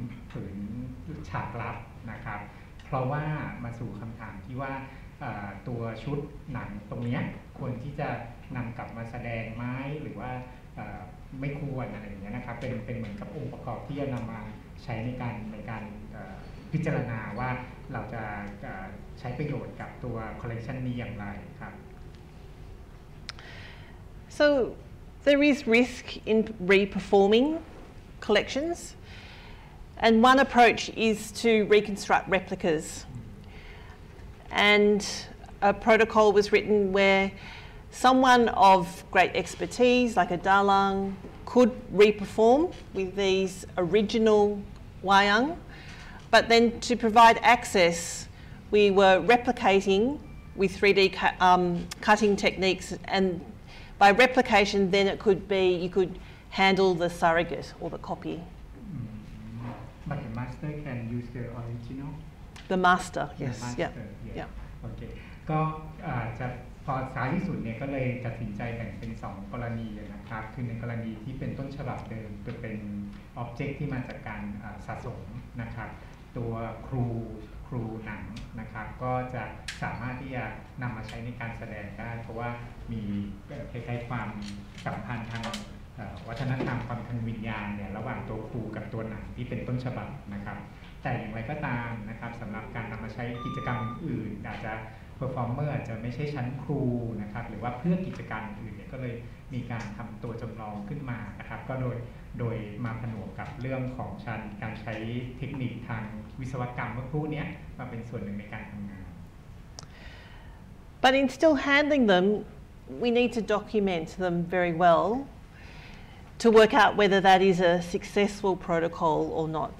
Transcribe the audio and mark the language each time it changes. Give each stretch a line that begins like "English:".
Thai: ผืนฉากลับนะครับเพราะว่ามาสู่คำถามที่ว่าตัวชุดหนังตรงนี้ควรที่จะนำกลับมาแสดงไหมหรือว่าไม่ควรอะไรอย่างเงี้ยนะครับเป็นเหมือนกับองค์ประกอบที่จะนำมาใช้ในการพิจารณาว่าเราจะใช้ประโยชน์กับตัวคอลเลกชันนี้อย่างไรครับ
English: So there is risk in re-performing collections and one approach is to reconstruct replicas and a protocol was written where someone of great expertise like a dalang could re-perform with these original wayang But then to provide access, we were replicating with 3D cutting techniques. And by replication, then it could be, you could handle the surrogate or the copy. Mm-hmm. But the master can use the original? The master, yes. The master, yeah. Yeah. Yeah. Okay. So, at the end, I decided to split it into two cases. One case is the original one, which is the original one, which is the object that comes from the sasong.
Thai: ตัวครูหนังนะครับก็จะสามารถที่จะนำมาใช้ในการแสดงได้เพราะว่ามีคล้ายๆความสัมพันธ์ทางวัฒนธรรมความทางวิญญาณเนี่ยระหว่างตัวครูกับตัวหนังที่เป็นต้นฉบับนะครับ แต่อย่างไรก็ตามนะครับสำหรับการนำมาใช้กิจกรรมอื่นอาจจะเพอร์ฟอร์เมอร์จะไม่ใช่ชั้นครูนะครับหรือว่าเพื่อกิจกรรมอื่นเนี่ยก็เลยมีการทำตัวจำลองขึ้นมานะครับก็โดยมาผนวกกับเรื่องของชั้นการใช้เทคนิคทางวิศวกรรมเมื่อครู่นี้มาเป็นส่วนหนึ่งในการทำงาน
English: But in still handling them, we need to document them very well to work out whether that is a successful protocol or not.